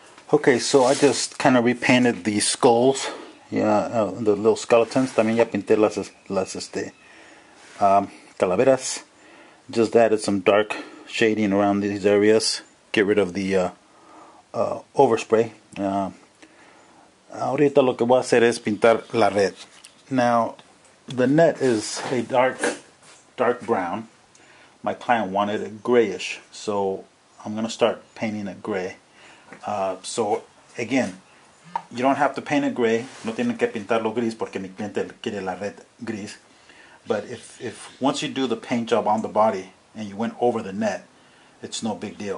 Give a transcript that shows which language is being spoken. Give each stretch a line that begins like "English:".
English: Okay, so I just kind of repainted the skulls, the little skeletons.
Spanish: También ya pinté las calaveras.
English: Just added some dark shading around these areas. Get rid of the overspray.
Spanish: Ahorita lo que voy a hacer es pintar la red.
English: Now, the net is a dark brown. My client wanted it grayish, so I'm going to start painting it gray. So, again, you don't have to paint it gray.
Spanish: No tienen que pintarlo gris porque mi cliente quiere la red gris.
English: But if once you do the paint job on the body and you went over the net, it's no big deal.